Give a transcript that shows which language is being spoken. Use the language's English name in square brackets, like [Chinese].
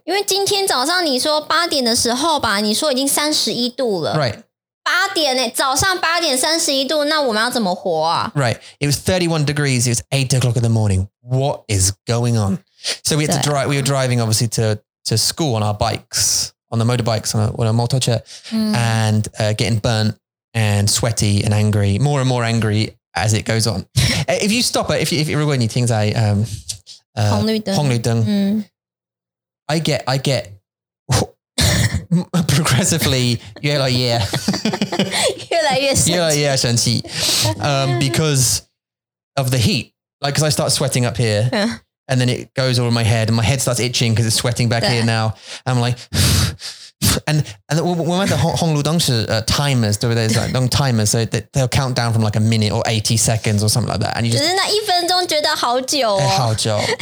[Chinese] 因为今天早上你说八点的时候吧，你说已经31度了。 [English] Right. [Chinese] 八点，早上8点31度， 那我们要怎么活啊？ [English] Right. It was 31 degrees. It was 8 o'clock in the morning. What is going on? So we had to drive, we were driving obviously to school on our bikes, on the motorbikes, on a motorcycle, and getting burnt and sweaty and angry, more and more angry as it goes on. If you stop it, if you remember any things, I, [Chinese] 红绿灯. [English] I get, progressively, [Chinese] 越来越生气, [English] because of the heat. Like, because I start sweating up here, and then it goes over my head, and my head starts itching because it's sweating back here now. And I'm like, and we went to Hong Lu Dong's timers, do they? Like long timers, so they'll count down from like a minute or 80 seconds or something like that. And you just. [Chinese] 那一分钟觉得好久哦。好久。